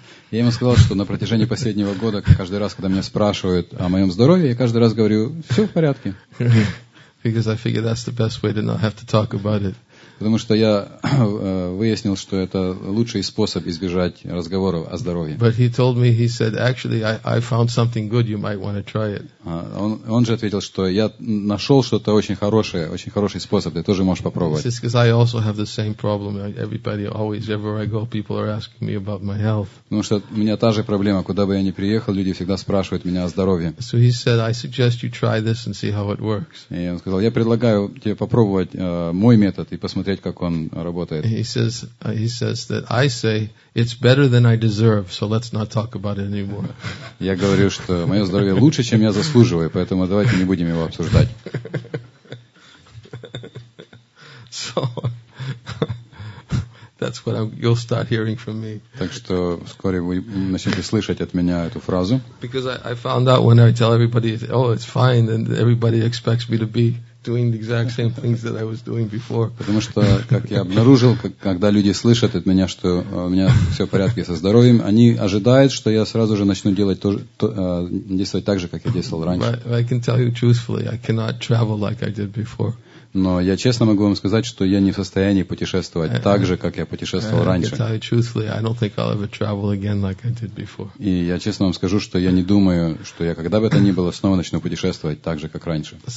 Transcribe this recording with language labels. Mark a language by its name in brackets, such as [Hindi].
[Russian] Я ему сказал, что на протяжении последнего года, каждый раз, когда меня спрашивают о моем здоровье, я каждый раз говорю, все в порядке. [English] Because I figure that's the best way to not have to talk about it. [Russian] Потому что я выяснил, что это лучший способ избежать разговоров о здоровье. [English] But he told me, he said, actually, I found something good, you might want to try it. [Russian] Он же ответил, что я нашел что-то очень хороший способ, ты тоже можешь попробовать. [English] He says, because I also have the same problem. Everybody, always, everywhere I go, people are asking me about my health. [Russian] Потому что у меня та же проблема, куда бы я ни приехал, люди всегда спрашивают меня о здоровье. [English] So he said, I suggest you try this and see how it works. [Russian] И он сказал, я предлагаю тебе попробовать мой метод и посмотреть, как он работает. [English] He says that I say it's better than I deserve, so let's not talk about it anymore. [Russian] Я говорю, что мое здоровье лучше, чем я заслуживаю, поэтому давайте не будем его обсуждать. [English] So that That's what you'll start hearing from me. [Russian] Так что вскоре вы начнете слышать от меня эту фразу. [English] Because I found out when I tell everybody, oh, it's fine, and everybody expects me to be doing the exact same things that I was doing before. [Russian] Потому что, как я обнаружил, когда люди слышат от меня, что у меня все в порядке со здоровьем, они ожидают, что я сразу же начну действовать так же, как я действовал раньше. [English] But I can tell you truthfully, I cannot travel like I did before. [Russian] Но я честно могу вам сказать, что я не в состоянии путешествовать так же, как я путешествовал раньше. И я честно вам скажу, что я не думаю, что я когда бы это ни было, снова начну путешествовать так же, как раньше.